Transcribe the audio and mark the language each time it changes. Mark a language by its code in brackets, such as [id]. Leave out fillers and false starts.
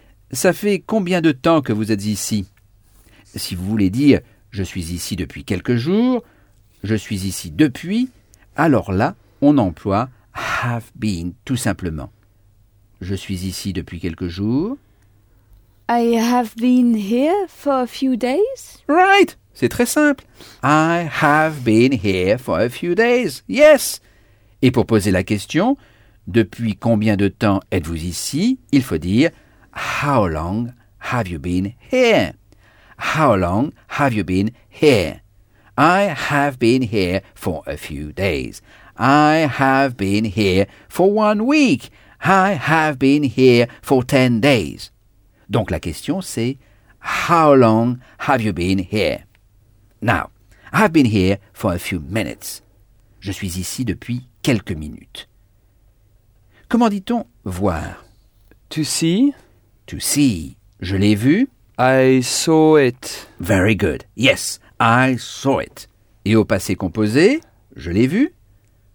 [fr] Ça fait combien de temps que vous êtes ici? Si vous voulez dire « je suis ici depuis quelques jours »,« je suis ici depuis », alors là, on emploie « have been » tout simplement. « Je suis ici depuis quelques jours ». [en] I have been here for a few days. [fr] Right, c'est très simple. [en] I have been here for a few days. Yes. [fr] Et pour poser la question, depuis combien de temps êtes-vous ici? Il faut dire [en] How long have you been here? How long have you been here? I have been here for a few days. I have been here for 1 week. I have been here for 10 days. [fr] Donc la question c'est [en] « How long have you been here ?» Now, I've been here for a few minutes. [fr] Je suis ici depuis quelques minutes. Comment dit-on « voir » ?« [en] To see ?»« To see. [fr] Je l'ai vu ?»« [en] I saw it. » »« Very good. Yes, I saw it. [fr] » Et au passé composé, je l'ai vu ?«